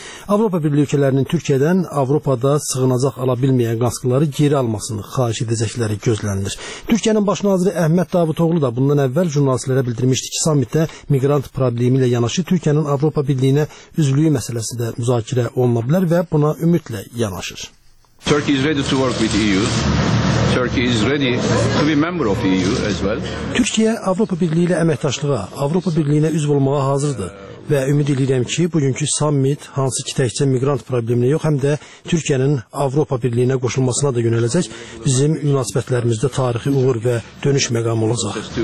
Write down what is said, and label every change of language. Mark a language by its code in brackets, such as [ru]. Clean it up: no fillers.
[az] Avropa Birliği ölkələrinin Türkiyədən Avropada sığınacaq ala bilməyən qaçqınları geri almasını xahiş edəcəkləri gözlənilir. Türkiyənin baş naziri Əhməd Davutoğlu da bundan əvvəl jurnalistlərə bildirmişdi ki, sammitdə miqrant problemi ilə yanaşı Türkiyənin Avropa Birliyinə üzvlüyü məsələsi də müzakirə oluna bilər və buna ümidlə yanaşır. [en] Turkey is ready to work with EU. Turkey is ready to be a member of EU as well. [az] Türkiyə Avropa Birliyi ilə əməkdaşlığa, Avropa Birliyinə üzv olmağa hazırdır. Və ümid edirəm ki, bugünkü sammit hansı ki təkcə miqrant probleminə yox, həm də Türkiyənin Avropa Birliyinə qoşulmasına da yönələcək, bizim münasibətlərimizdə tarixi uğur və dönüş məqamı olacaq.